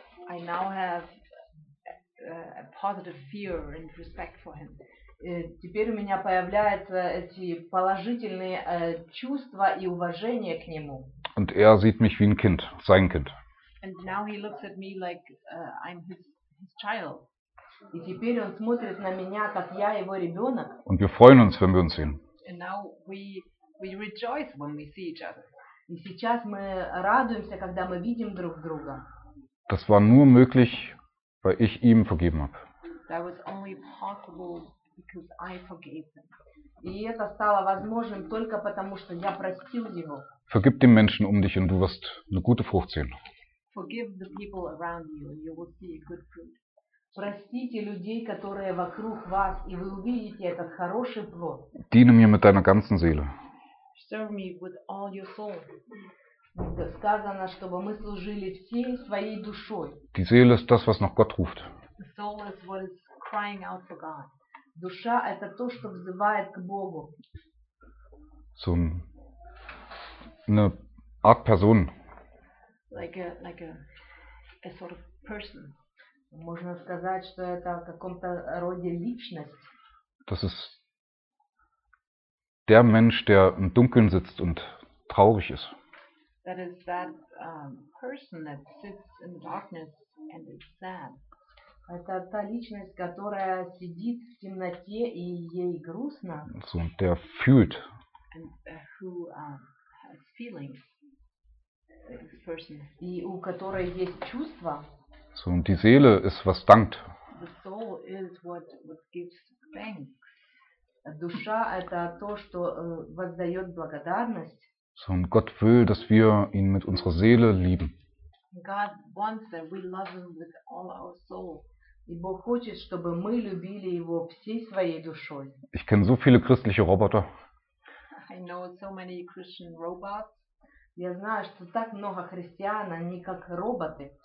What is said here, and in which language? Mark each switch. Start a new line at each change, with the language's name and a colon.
English: I now have a positive fear and respect for him.
Russian: Теперь у меня появляются эти положительные чувства и уважение к нему.
German: Und er sieht mich wie ein Kind, sein Kind.
English: And now he looks at me like I'm his child.
Russian: И теперь он смотрит на меня, как я его ребенок.
German: Und wir freuen uns, wenn wir uns sehen.
English: And now we rejoice when we see each other.
Russian: И сейчас мы радуемся, когда мы видим друг друга.
German: Das war nur möglich, weil ich ihm vergeben habe.
English: That was only possible because I forgave him.
Russian: И это стало возможным только потому, что я простил его.
German: Vergib den Menschen um dich und du wirst eine gute Frucht sehen.
English: Forgive the people around you and you will see a good fruit.
Russian: Простите людей, которые вокруг вас, и вы увидите этот хороший плод.
German: Diene mir mit deiner ganzen Seele.
English: Serve me with all your soul.
Russian: Сказано, чтобы мы служили всей своей душой.
German: Die Seele ist das, was nach Gott ruft.
English: The soul is what is crying out for God.
Russian: Душа – это то, что взывает к Богу.
German: So eine Art Person.
English: Like a sort of person.
Russian: Можно сказать, что это в каком-то роде личность.
German: Das ist der Mensch, der im Dunkeln sitzt und traurig ist.
English: That is that person that sits in the darkness and is sad.
Russian: Это та личность, которая сидит в темноте и ей грустно.
German: So, und der fühlt.
English: And who has feelings. This person.
Russian: И у которой есть чувства.
German: So, und die Seele ist, was dankt.
English: The soul is what gives thanks.
Russian: Душа – это то, что воздает благодарность.
German: So, und Gott will, dass wir ihn mit unserer Seele lieben.
English: God wants that we love him with all our soul.
Russian: И Бог хочет, чтобы мы любили его всей своей душой.
German: Ich kenne so viele christliche Roboter.
English: I know so many Christian robots.
Russian: Я знаю, что так много христиан, они как роботы.